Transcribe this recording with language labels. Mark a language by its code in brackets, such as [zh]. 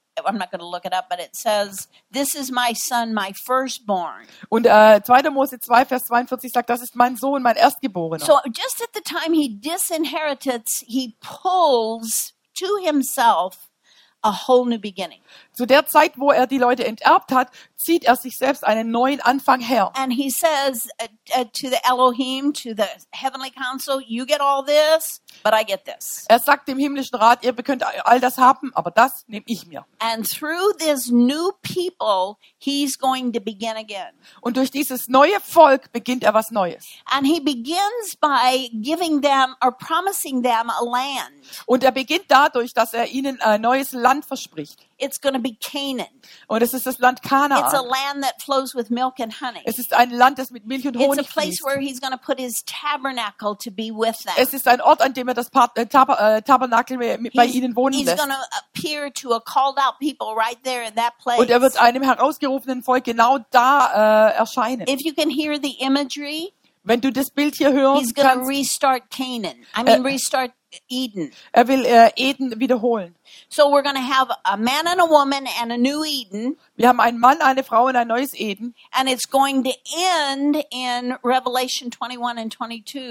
[en] I'm not going to look it up, but it says, "This is my son, my firstborn." [de] Und 2. Mose 2, Vers 42 sagt, das ist mein Sohn, mein Erstgeborener. [en] So, just at the time he disinherits, he pulls to himself a whole new beginning. [de] Zu der Zeit, wo er die Leute enterbt hat, zieht er sich selbst einen neuen Anfang her. [en] And he says to the Elohim, to the heavenly council, you get all this, but I get this. [de] Er sagt dem himmlischen Rat, ihr könnt all das haben, aber das nehme ich mir. [en] And through this new people, he's going to begin again. [de] Und durch dieses neue Volk beginnt er was Neues. [en] And he begins by giving them or promising them a land. [de] Und er beginnt dadurch, dass er ihnen ein neues Land verspricht. [en] It's going to be Canaan. [de] Und es ist das Land Kanaan. [en] It's a land that flows with milk and honey. [de] Es ist ein Land, das mit Milch und Honig fließt. [en] It's a place where he's going to put his tabernacle to be with them. [de] Es ist ein Ort, an dem er das Tabernakel bei ihnen wohnen lässt. [en] He's going to appear to a called out people right there in that place. [de] Und er wird einem herausgerufenen Volk genau da erscheinen. [en] If you can hear the imagery, [de] wenn du das Bild hier hören kannst, [en] he's going to restart Canaan. I mean restart Eden. [de] Er will Eden wiederholen. [en] So we're going to have a man and a woman and a new Eden. [de] Wir haben einen Mann, eine Frau und ein neues Eden. [en] And it's going to end in Revelation 21 and 22.